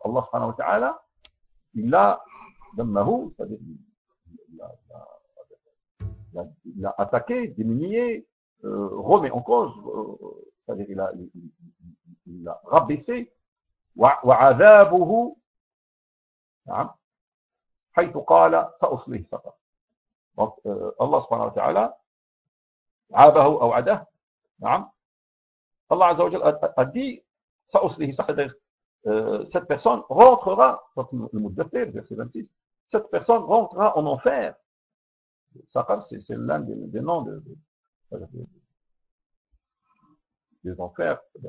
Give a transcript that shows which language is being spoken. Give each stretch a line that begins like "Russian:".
French: Allah subhanahu wa ta'ala, il l'a ذَمَّهُ, c'est-à-dire il l'a attaqué, diminué, remet en cause, c'est-à-dire il l'a rabaissé.
Arabic: وَعَذَابُهُ حَيْتُ قَالَ سَأُصْلِهِ سَقَرَ.
French: Donc Allah subhanahu wa ta'ala
Arabic: عَابَهُ أَوْعَدَهُ. نعم.
French: Allah عز وجل a dit
Arabic: سَأُصْلِهِ سَقَرَ.
French: Cette personne rentrera, donc le Mudaffir, verset 26, cette personne rentrera en enfer. Saqar, c'est l'un des noms des enfers.